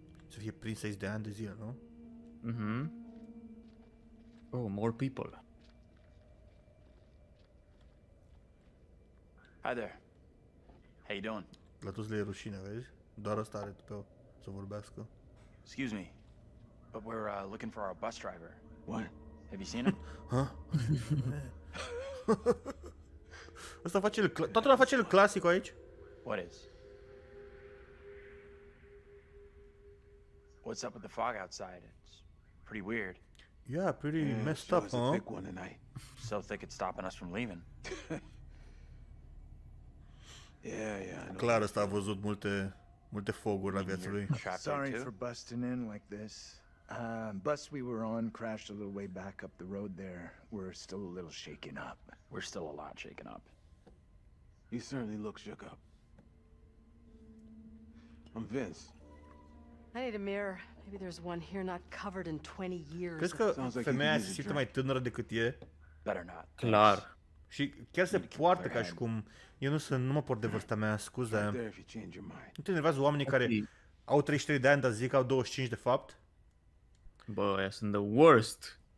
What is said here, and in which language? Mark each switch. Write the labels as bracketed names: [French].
[Romanian] să fie prins aici de ani de zile, nu? [English] Mhm. Oh, more people. Hi there. How you doing? [Romanian] La toți le e rușine, vezi? Doar ăsta are tupeu să vorbească. [English] Excuse me, but we're looking for our bus driver. What? Have you seen him? Huh? [Romanian] Asta face toată lumea face el clasic aici. [English] What is? What's up with the fog outside? It's pretty weird. Yeah, pretty messed up, huh? It's a thick one tonight. So thick it's stopping us from leaving. Yeah. [Romanian] Clar, ăsta a văzut multe foguri la viața lui. [English] Sorry for busting in like this. Bus we were on crashed a little way back up the road there. We're still a little shaken up. We're still a lot shaken up. You certainly look shook up. I'm Vince. I need a mirror. Maybe there's one here not covered in 20 years. [Romanian] Crezi că femeia se simte mai tânără decât e? [English] Better not. [Romanian] Clar. Și chiar se poartă ca și cum eu nu mă port de vârsta mea, scuze. Nu te enervează oamenii care au 33 de ani, dar zic că au 25 de fapt? Bă, aia sunt [English] the worst.